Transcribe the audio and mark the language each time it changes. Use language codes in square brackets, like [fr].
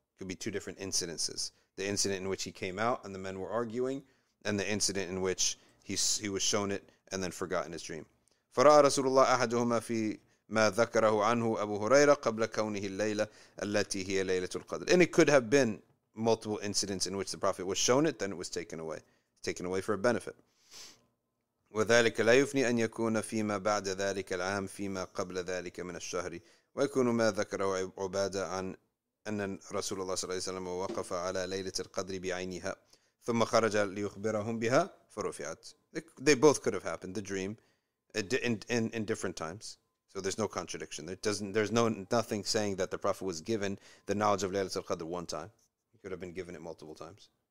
[en] It could be two different incidences. The incident in which he came out and the men were arguing, and the incident in which he was shown it and then forgot in his dream. [ar] فَرَأَى رَسُولُ اللَّهِ أَحَدُهُمَا فِي مَا ذَكَرَهُ عَنْهُ أَبُو هُرَيْرَةَ قَبْلَ كَوْنِهِ اللَّيْلَةَ الَّتِي هِيَ لَيْلَةُ الْقَدْرِ. [en] And it could have been multiple incidents in which the Prophet was shown it, then it was taken away for a benefit. [ar] وذلك لا يفني أن يكون فيما بعد ذلك العام فيما قبل ذلك من الشهر ويكون ما ذكره عبادة عن أن رسول الله صلى الله عليه وسلم وقف على ليلة القدر بعينها ثم خرج ليخبرهم بها فرفعت. [en] They both could have happened, the dream, in different times. So there's no contradiction. There's nothing saying that the Prophet was given the knowledge of Laylatul Qadr one time. He could have been given it multiple times.